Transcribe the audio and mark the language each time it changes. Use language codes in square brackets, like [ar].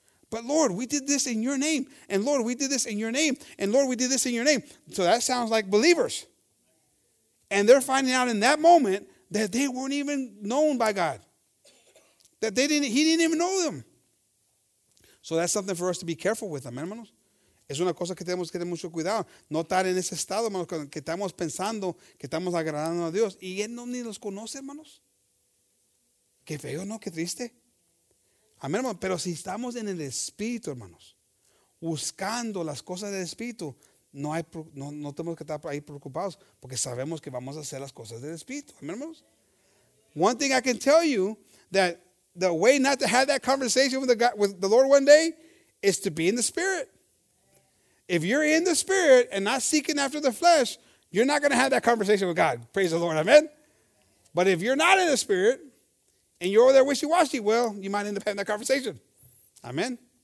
[en] But Lord, we did this in your name. And Lord, we did this in your name. And Lord, we did this in your name. So that sounds like believers. And they're finding out in that moment that they weren't even known by God. That he didn't even know them. So that's something for us to be careful with, amen, hermanos. [es] Es una cosa que tenemos que tener mucho cuidado. No estar en ese estado, hermanos, que estamos pensando que estamos agradando a Dios. Y Él no ni los conoce, hermanos. Qué feo, ¿no? Qué triste. Amén, hermanos. Pero si estamos en el Espíritu, hermanos, buscando las cosas del Espíritu, no tenemos que estar ahí preocupados, porque sabemos que vamos a hacer las cosas del Espíritu. Amén, hermanos. [en] One thing I can tell you, that the way not to have that conversation with the Lord one day is to be in the Spirit. If you're in the Spirit and not seeking after the flesh, you're not going to have that conversation with God. Praise the Lord. Amen. But if you're not in the Spirit and you're over there wishy-washy, well, you might end up having that conversation. Amen.